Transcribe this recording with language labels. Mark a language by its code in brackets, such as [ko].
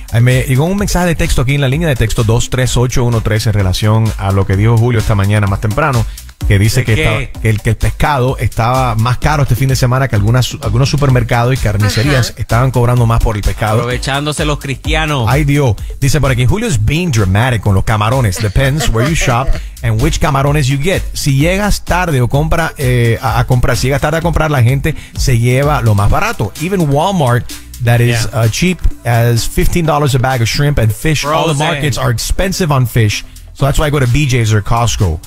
[es] Me llegó un mensaje de texto aquí en la línea de texto 23813 en relación a lo que dijo Julio esta mañana más temprano, que dice que, estaba, que el pescado estaba más caro este fin de semana, que algunos supermercados y carnicerías estaban cobrando más por el pescado. Aprovechándose los cristianos. Ay Dios. Dice por aquí, Julio [en] is being dramatic [es] con los camarones. [en] Depends where you shop and which [es] camarones [en] you get. [es] Si llegas tarde o llegas tarde a comprar, la gente se lleva lo más barato. [en] Even Walmart that is cheap as $15 a bag of shrimp and fish. Frozen. All the markets are expensive on fish. So that's why I go to BJ's or Costco.